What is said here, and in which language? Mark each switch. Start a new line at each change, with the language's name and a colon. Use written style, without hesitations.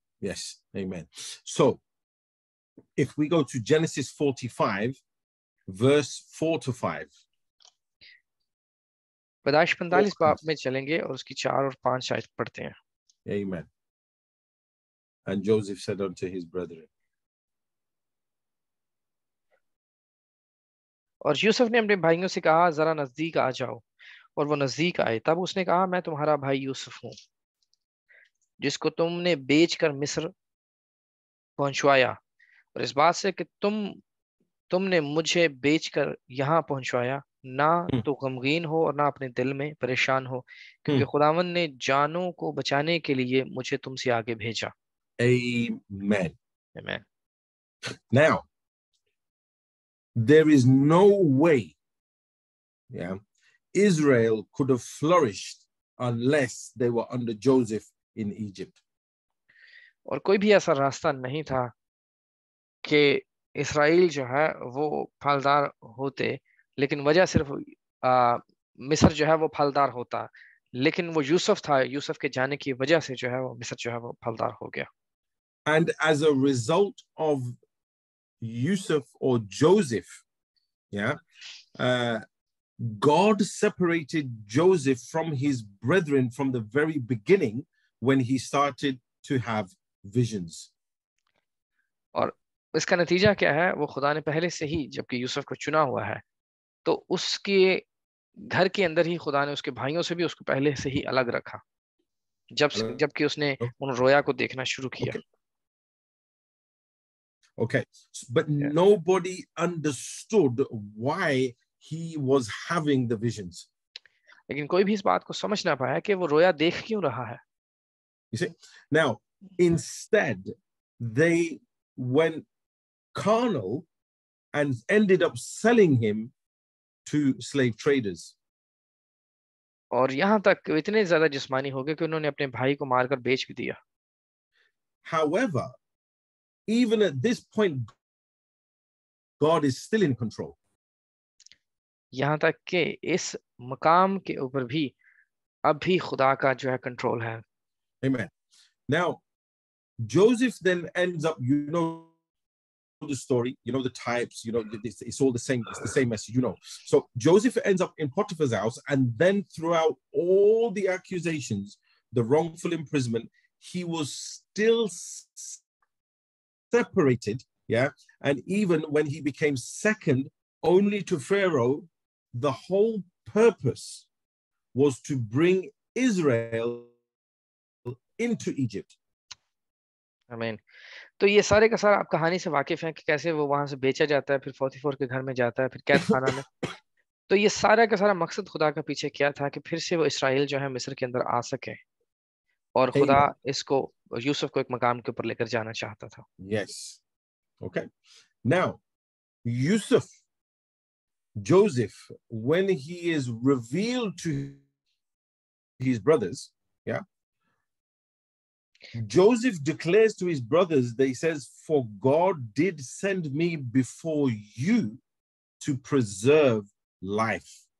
English: Yes, amen. So if we go to Genesis 45, verse 4-5. Amen. And Joseph said unto his brethren.
Hindi: और यूसुफ ने अपने भाइयों से कहा जरा नजदीक आ जाओ और वो नजदीक आए तब उसने कहा मैं तुम्हारा भाई यूसुफ हूं जिसको तुमने बेचकर मिस्र पहुंचवाया और इस बात से कि तुमने मुझे बेचकर यहां पहुंचवाया ना तो गमगीन हो और ना अपने दिल में परेशान हो क्योंकि खुदावन ने जानों को बचाने के लिए मुझे तुमसे आगे भेजा.
English: Amen. Amen. Now, there is no way, yeah, Israel could have flourished unless they were under Joseph in Egypt.
Hindi: और कोई भी ऐसा रास्ता नहीं था कि इस्राएल जो है वो फलदार होते लेकिन वजह सिर्फ मिस्र जो है वो फलदार होता लेकिन वो यूसुफ था यूसुफ के जाने की वजह से जो है वो मिस्र फलदार हो गया.
English: And as a result of Yusuf or Joseph, yeah, God separated Joseph from his brethren from the very beginning when he started to have visions.
Hindi: और इसका नतीजा क्या है? वो खुदा ने पहले से ही जबकि यूसुफ को चुना हुआ है, तो उसके घर के अंदर ही खुदा ने उसके भाइयों से भी उसको पहले से ही अलग रखा, जबकि उसने उन रोया को देखना शुरू किया.
English: Okay, but yeah. Nobody understood why he was having the visions.
Hindi: लेकिन कोई भी इस बात को समझ ना पाया कि वो रोया देख क्यों रहा है.
English: You see, now instead they went carnal and ended up selling him to slave traders.
Hindi: और यहाँ तक इतने ज़्यादा जिस्मानी हो गए कि उन्होंने अपने भाई को मारकर बेच भी दिया.
English: However, even at this point, God is still in control.
Hindi: यहाँ तक के इस मकाम के ऊपर भी अब भी खुदा का जो है कंट्रोल है.
English: Amen. Now, Joseph then ends up, you know the story, you know the types, you know it's all the same. It's the same message, you know. So Joseph ends up in Potiphar's house, and then throughout all the accusations, the wrongful imprisonment, he was still separated, yeah, and even when he became second only to Pharaoh, the whole purpose was to bring Israel into Egypt. Amen.
Hindi: तो ये सारे का सारा आप कहानी से वाकिफ हैं कि कैसे वो वहां से बेचा जाता है, फिर 44 के घर में जाता है, फिर कैदखाना में. तो ये सारा का सारा मकसद खुदा के पीछे क्या था कि फिर से वो इसराइल जो है मिस्र के अंदर आ सके और खुदा इसको यूसुफ को एक मकाम के ऊपर लेकर जाना चाहता था.
English: Yes. Okay. Now, Yusuf, Joseph, when he is revealed to his brothers, yeah, Joseph declares to his brothers that he says, "For God did send me before you to preserve life."